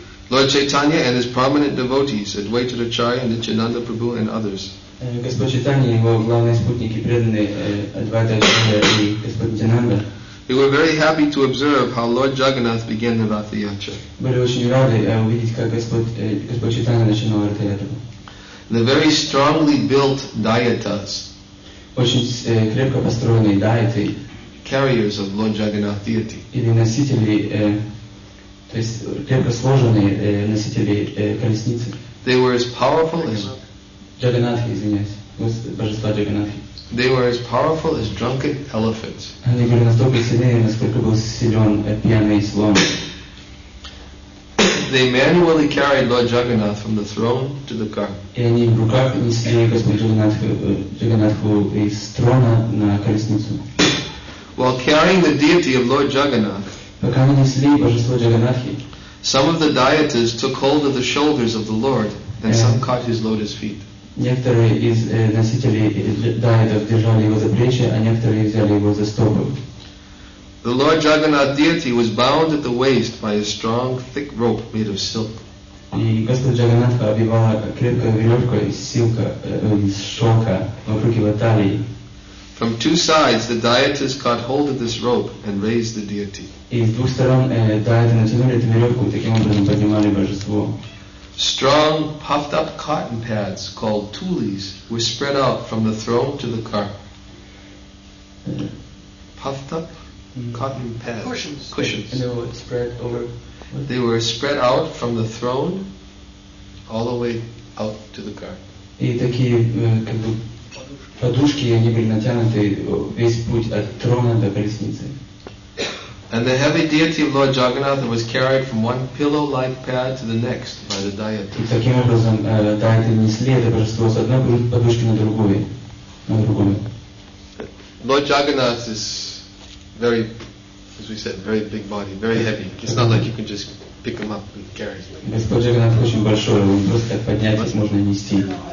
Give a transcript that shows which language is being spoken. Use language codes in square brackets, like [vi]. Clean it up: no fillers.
[en] Lord Chaitanya and his prominent devotees, Advaita Acharya and Nityananda Prabhu and others, [ru] Господь Чайтанья и его главные спутники, преданные Адвайта Ачарья и Господь Нитянанда. [en] They were very happy to observe how Lord Jagannath began the Ratha Yatra. [ru] Были очень рады увидеть, как Господь Чайтанья начинал Ратха Ятру. [en] the very strongly built dayatas, [ru] очень крепко построенные дайты, [en] carriers of Lord Jagannath deity, [ru] или носители, то есть крепко сложенные носители колесницы. [en] They were as powerful as [ru] Jagannathi, извиняюсь, божества Jagannathi. [en] They were as powerful as drunken elephants. [ru] Они были настолько сильны, насколько был силен пьяный слон. [en] They manually carried Lord Jagannath from the throne to the car. [ru] И они в руках несли Господа Джагнатху из трона на колесницу. [en] While carrying the deity of Lord Jagannath, [ru] пока они несли божество Джагнатхи, [en] some of the dayatas took hold of the shoulders of the Lord, and some caught his lotus feet. [ru] Некоторые из носителей дайатов держали его за плечи, а некоторые взяли его за стопы. [en] The Lord Jagannath deity was bound at the waist by a strong, thick rope made of silk. [ru] И Господь Джагнатха обвивала крепкой веревкой из силка, из шелка, вокруг его талии. [en] From two sides, the dayatas caught hold of this rope and raised the deity. [ru] И с двух сторон дайаты натянули эту веревку, таким образом поднимали божество. [en] Strong, puffed-up cotton pads called tulis were spread out from the throne to the car. Puffed-up cotton pads. Cushions. And they were spread over. They were spread out from the throne all the way out to the car. [ru] И такие как бы подушки, они были натянуты весь путь от трона до колесницы. [en] And the heavy deity of Lord Jagannath was carried from one pillow-like pad to the next by the dayatas. [ru] Таким образом, дайаты несли это божество с одной подушки на другую. [en] Lord Jagannath is very, as we said, very big body, very heavy. It's not like you can just pick him up and carry him. [ru] Господь Джагнатх очень большой, его просто поднять их можно нести.